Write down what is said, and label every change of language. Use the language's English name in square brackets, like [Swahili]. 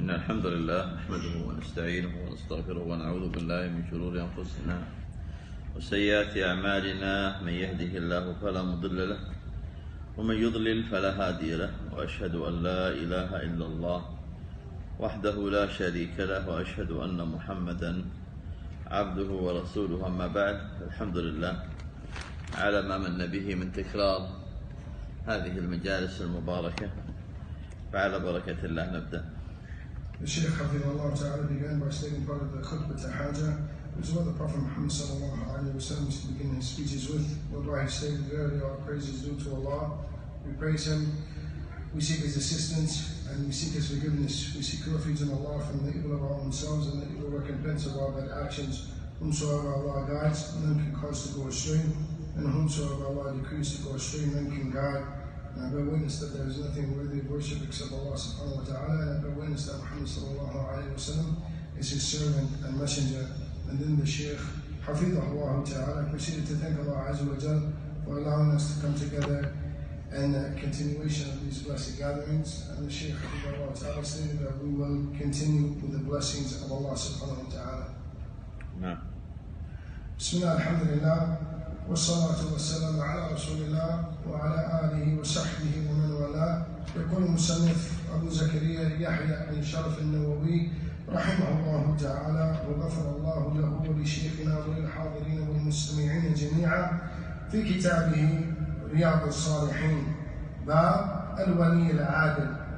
[Arabic] الحمد لله نحمده ونستعينه ونستغفره ونعوذ بالله من شرور أنفسنا وسيئات أعمالنا، من يهده الله فلا مضل له ومن يضلل فلا هادي له، وأشهد أن لا إله إلا الله وحده لا شريك له، وأشهد أن محمدا عبده ورسوله. أما بعد، الحمد لله على ما من به من تكرار هذه المجالس المباركة، فعلى بركة الله نبدأ. الشيخ حفظه الله تعالى [English] began by stating part of the khutbah tahaja, which is what the Prophet Muhammad sallallahu alayhi wa sallam used to begin his speeches with. What do I say? Verily all praise is due to Allah. We praise Him, we seek His assistance, and we seek His forgiveness. We seek refuge in Allah from the evil of our own selves and the evil recompense of our bad actions. Whomsoever Allah guides, none can cause to go astray. And whomsoever Allah decrees to go astray, none can guide. And I bear witness that there is nothing worthy of worship except Allah subhanahu wa ta'ala. And I bear witness that Muhammad sallallahu alayhi wa sallam is His servant and messenger. And then the Shaykh, hafidhahullah ta'ala, proceeded to thank Allah azza wa jal for allowing us to come together and the continuation of these blessed gatherings. And the Shaykh, hafidhahullah ta'ala, stated that we will continue with the blessings of Allah subhanahu wa ta'ala. No. [Arabic] Bismillah alhamdulillah. والصلاة والسلام على رسول الله وعلى آله وصحبه ومن والاه. يقول المصنف أبو زكريا يحيى بن شرف النووي رحمه الله تعالى وغفر الله له ولشيخنا وللحاضرين والمستمعين جميعا في كتابه رياض الصالحين باب الولي العادل.